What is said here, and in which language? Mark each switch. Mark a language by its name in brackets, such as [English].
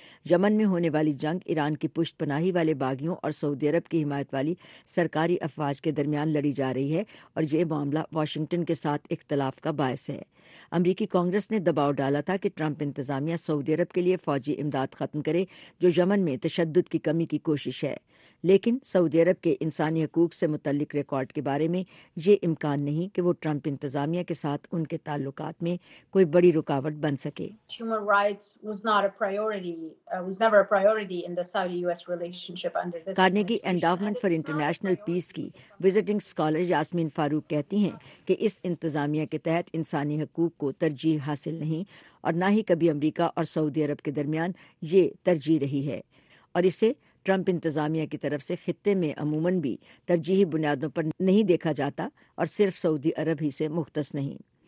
[Urdu] یمن میں ہونے والی جنگ ایران کی پشت پناہی والے باغیوں اور سعودی عرب کی حمایت والی سرکاری افواج کے درمیان لڑی جا رہی ہے اور یہ معاملہ واشنگٹن کے ساتھ اختلاف کا باعث ہے۔ امریکی کانگریس نے دباؤ ڈالا تھا کہ ٹرمپ انتظامیہ سعودی عرب کے لیے فوجی امداد ختم کرے جو یمن میں تشدد کی کمی کی کوشش ہے، لیکن سعودی عرب کے انسانی حقوق سے متعلق ریکارڈ کے بارے میں یہ امکان نہیں کہ وہ ٹرمپ انتظامیہ کے ساتھ ان کے تعلقات میں کوئی بڑی رکاوٹ بن سکے۔ [English] Human rights was not a priority, was never a priority in the Saudi-US relationship under this administration. [Urdu] Carnegie Endowment for International Peace کی وزٹنگ اسکالر یاسمین فاروق کہتی ہیں کہ اس انتظامیہ کے تحت انسانی حقوق کو ترجیح حاصل نہیں اور نہ ہی کبھی امریکہ اور سعودی عرب کے درمیان یہ ترجیح رہی ہے، اور اسے ٹرمپ انتظامیہ کی طرف سے خطے میں عموماً بھی ترجیحی بنیادوں پر نہیں دیکھا جاتا اور صرف سعودی عرب ہی سے مختص نہیں۔